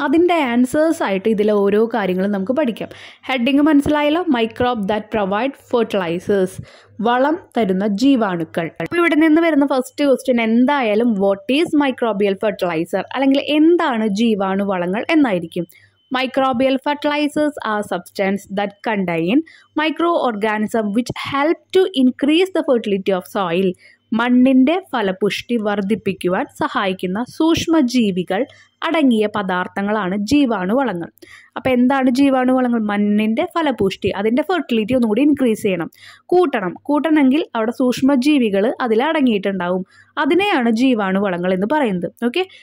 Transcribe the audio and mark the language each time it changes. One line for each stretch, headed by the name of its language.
Malayalam: അതിൻ്റെ ആൻസേഴ്സ് ആയിട്ട് ഇതിലെ ഓരോ കാര്യങ്ങളും നമുക്ക് പഠിക്കാം. ഹെഡിങ് മനസ്സിലായല്ലോ.
English: microbe that provide fertilisers,
Malayalam: വളം തരുന്ന ജീവാണുക്കൾ. അപ്പോൾ ഇവിടെ നിന്ന് വരുന്ന ഫസ്റ്റ് ക്വസ്റ്റ്യൻ എന്തായാലും
English: what is microbial fertiliser,
Malayalam: അല്ലെങ്കിൽ എന്താണ് ജീവാണു വളങ്ങൾ എന്നായിരിക്കും.
English: Microbial fertilizers are substances that contain microorganisms which help to increase the fertility of soil.
Malayalam: മണ്ണിൻ്റെ ഫലപുഷ്ടി വർദ്ധിപ്പിക്കുവാൻ സഹായിക്കുന്ന സൂക്ഷ്മജീവികൾ അടങ്ങിയ പദാർത്ഥങ്ങളാണ് ജീവാണുവളങ്ങൾ. അപ്പോൾ എന്താണ് ജീവാണുവളങ്ങൾ? മണ്ണിൻ്റെ ഫലപുഷ്ടി, അതിൻ്റെ ഫെർട്ടിലിറ്റി ഒന്നുകൂടി ഇൻക്രീസ് ചെയ്യണം, കൂട്ടണം. കൂട്ടണമെങ്കിൽ അവിടെ സൂക്ഷ്മജീവികൾ അതിലടങ്ങിയിട്ടുണ്ടാവും. അതിനെയാണ് ജീവാണുവളങ്ങൾ എന്ന് പറയുന്നത്. ഓക്കെ.